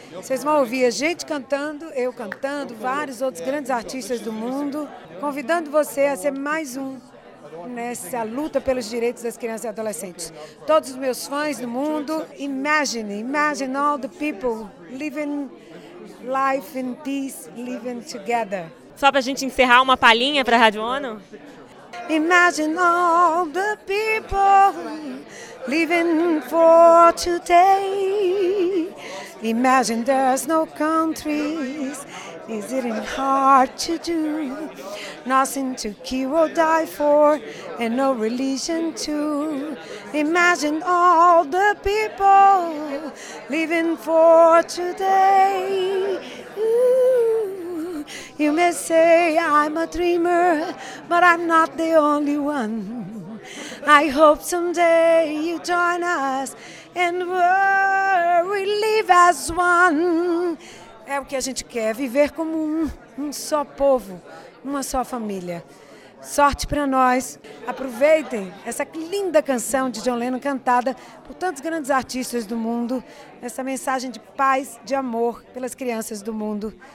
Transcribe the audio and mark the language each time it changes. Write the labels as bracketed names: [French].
[Portuguese] Vocês vão ouvir a gente cantando, eu cantando, vários outros grandes artistas do mundo, convidando você a ser mais um nessa luta pelos direitos das crianças e adolescentes. Todos os meus fãs do mundo, [English] imagine all the people living life in peace, living together. [Portuguese] Só para a gente encerrar, uma palhinha para a Rádio ONU. [English] Imagine all the people living for today. Imagine there's no countries. Is it hard to do? Nothing to kill or die for, and no religion too. Imagine all the people living for today. Ooh. You may say I'm a dreamer, but I'm not the only one. I hope someday you join us, and we live as one. [Portuguese] É o que a gente quer, viver como um só povo, uma só família. Sorte para nós. Aproveitem essa linda canção de John Lennon, cantada por tantos grandes artistas do mundo. Essa mensagem de paz, de amor pelas crianças do mundo.